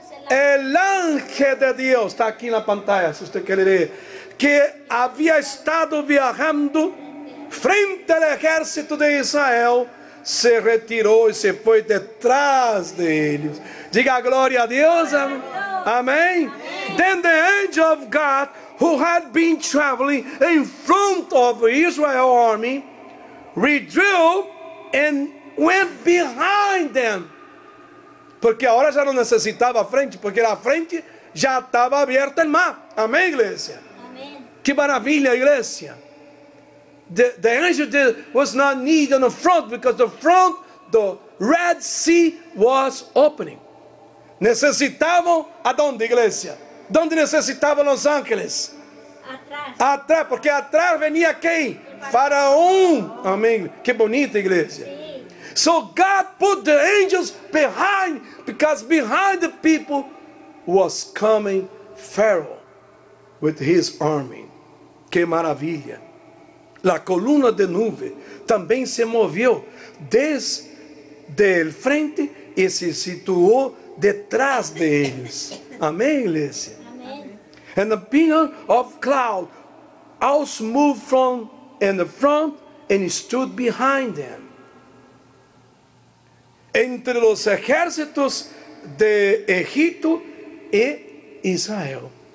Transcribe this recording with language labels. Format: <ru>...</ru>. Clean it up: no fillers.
<es>El ángel de Dios, está aquí en la pantalla, si usted quiere leer, que había estado viajando frente al ejército de Israel, se retiró y se fue detrás de ellos. Diga gloria a Dios. Amén. Amén.</es> <en>Then the angel of God, who had been traveling in front of the Israel army, withdrew and went behind them.</en> <pt>Porque agora já não necessitava a frente, porque a frente já estava aberta o mar. Amém, igreja? Amém. Que maravilha, igreja.</pt> <en>The angel did, was not needed on the front, because the front, the Red Sea was opening.</en> <pt>Necessitavam aonde, igreja? Onde necessitavam os ángeles? Atrás. Atrás, porque atrás venia quem? Faraó. Amém. Que bonita, igreja. Sim.</pt> <en>So God put the angels behind, because behind the people was coming Pharaoh with his army.</en> <pt>Que maravilha! La coluna de nuvem também se moveu desde el frente e se situou detrás deles. Amém, igreja? Amém.</pt> <en>And the pillar of cloud also moved from in the front and stood behind them.</en> <pt>Entre os exércitos de Egito e Israel.</pt>